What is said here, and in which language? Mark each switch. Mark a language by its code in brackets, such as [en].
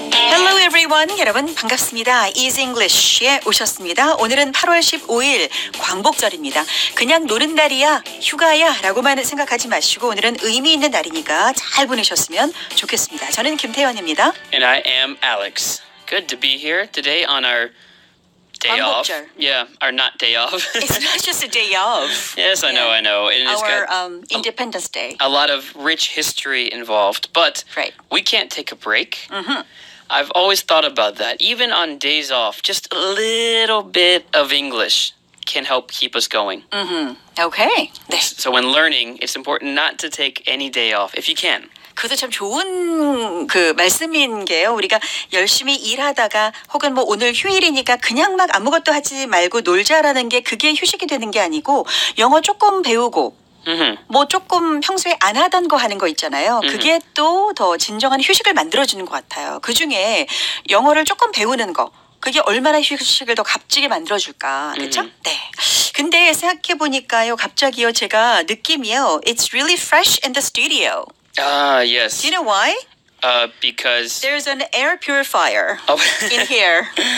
[en] Hello everyone, [ko] 여러분 반갑습니다. Easy English에 오셨습니다. 오늘은 8월 15일 광복절입니다. 그냥 노는 날이야, 휴가야 라고만 생각하지 마시고 오늘은 의미 있는 날이니까 잘 보내셨으면 좋겠습니다. 저는 김태현입니다. [en] And I am Alex. Good to be here today on our day off. Yeah, or not day off. It's not just a day off. Yes, I know, I know. And it's our Independence Day. A lot of rich history involved, but we can't take a break. I've always thought about that. Even on days off, just a little bit of English can help keep us going. Okay. So when learning, it's important not to take any day off, if you can. [ko] 그것도 참 좋은 그 말씀인 게요. 우리가 열심히 일하다가 혹은 뭐 오늘 휴일이니까 그냥 막 아무것도 하지 말고 놀자라는 게 그게 휴식이 되는 게 아니고 영어 조금 배우고 뭐 조금 평소에 안 하던 거 하는 거 있잖아요. 그게 또 더 진정한 휴식을 만들어주는 것 같아요. 그중에 영어를 조금 배우는 거 그게 얼마나 휴식을 더 값지게 만들어줄까. 그렇죠? 네. 근데 생각해보니까요. 갑자기요. 제가 느낌이요. [en] It's really fresh in the studio. Ah, yes. Do you know why? Because... There's an air purifier in here.